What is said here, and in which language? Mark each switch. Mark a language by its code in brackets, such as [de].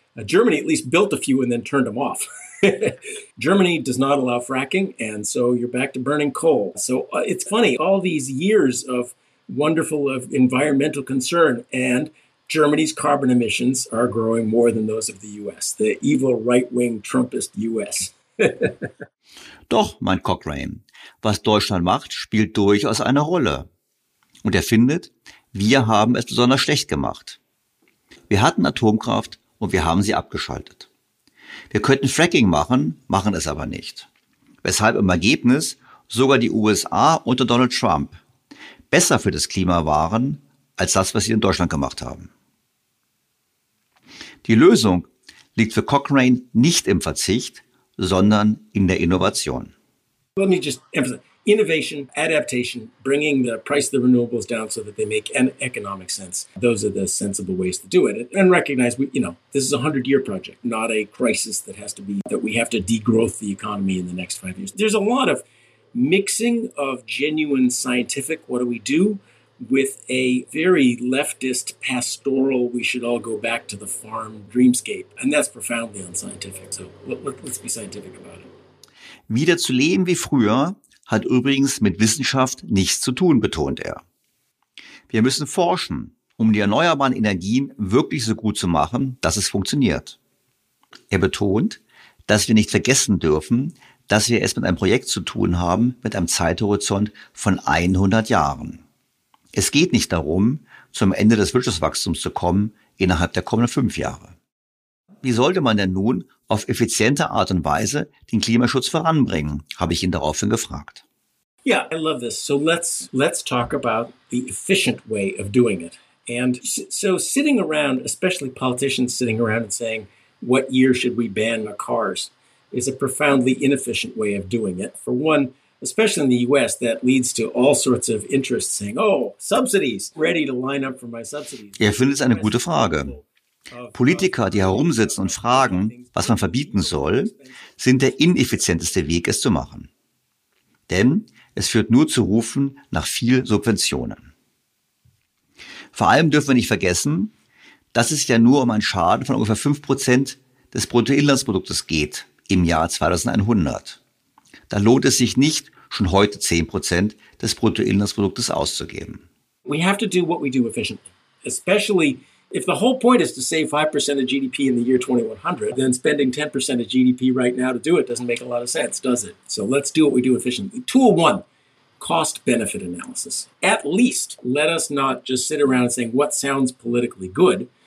[en] Germany at least built a few and then turned them off. Germany does not allow fracking, and so you're back to burning coal. So it's funny, all these years of wonderful of environmental concern, and Germany's carbon emissions are growing more than those of the U.S., the evil right-wing Trumpist U.S. [de] Doch, meint Cochrane, was Deutschland macht, spielt durchaus eine Rolle. Und er findet, wir haben es besonders schlecht gemacht. Wir hatten Atomkraft und wir haben sie abgeschaltet. Wir könnten Fracking machen, machen es aber nicht. Weshalb im Ergebnis sogar die USA unter Donald Trump besser für das Klima waren, als das, was sie in Deutschland gemacht haben. Die Lösung liegt für Cochrane nicht im Verzicht, sondern in der Innovation. [en] Let me just emphasize. Innovation, adaptation, bringing the price of the renewables down so that they make an economic sense. Those are the sensible ways to do it. And recognize, this is a 100-year project, not a crisis that has to be, that we have to degrowth the economy in the next 5 years. There's a lot of mixing of genuine scientific, what do we do, with a very leftist pastoral, we should all go back to the farm dreamscape. And that's profoundly unscientific. So let's be scientific about it. [de] Wieder zu leben wie früher hat übrigens mit Wissenschaft nichts zu tun, betont er. Wir müssen forschen, um die erneuerbaren Energien wirklich so gut zu machen, dass es funktioniert. Er betont, dass wir nicht vergessen dürfen, dass wir es mit einem Projekt zu tun haben, mit einem Zeithorizont von 100 Jahren. Es geht nicht darum, zum Ende des Wirtschaftswachstums zu kommen, innerhalb der kommenden 5 Jahre. Wie sollte man denn nun auf effiziente Art und Weise den Klimaschutz voranbringen, habe ich ihn daraufhin gefragt. [en] Yeah, I love this. So let's talk about the efficient way of doing it. And so sitting around, especially politicians sitting around and saying, what year should we ban our cars, is a profoundly inefficient way of doing it. For one, especially in the US, that leads to all sorts of interests saying, oh, subsidies, ready to line up for my subsidies. [de] Ich finde es eine gute Frage. Politiker, die herumsitzen und fragen, was man verbieten soll, sind der ineffizienteste Weg, es zu machen. Denn es führt nur zu Rufen nach viel Subventionen. Vor allem dürfen wir nicht vergessen, dass es ja nur um einen Schaden von ungefähr 5% des Bruttoinlandsproduktes geht im Jahr 2100. Da lohnt es sich nicht, schon heute 10% des Bruttoinlandsproduktes auszugeben. [en] We have to do what we do efficiently, especially if the whole point is to save 5% of GDP in the year 2100, then spending 10% of GDP right now to do it doesn't make a lot of sense, does it? So let's do what we do efficiently. Tool one, cost-benefit analysis. At least let us not just sit around saying what sounds politically good.